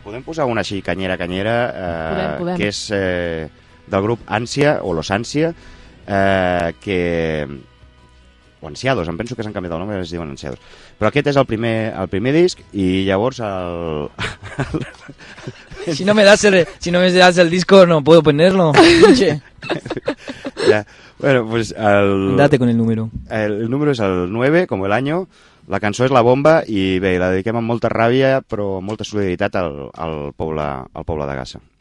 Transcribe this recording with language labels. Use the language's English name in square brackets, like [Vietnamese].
[Catalan] Podem posar una així, canyera, podem. Que és del grup Ansia, o Los Ansia, que... o Ansiados, em penso que s'han canviat el nom i es diuen Ansiados. Però aquest és el primer disc i llavors el... [Spanish] Si no me das el disco no puedo ponerlo. [Catalan] Ja. Bueno, pues el... [Spanish] Date con el número. [Catalan] El número és el 9, com el año. La cançó és La Bomba i bé, la dediquem amb molta ràbia però amb molta solidaritat al poble de Gaza.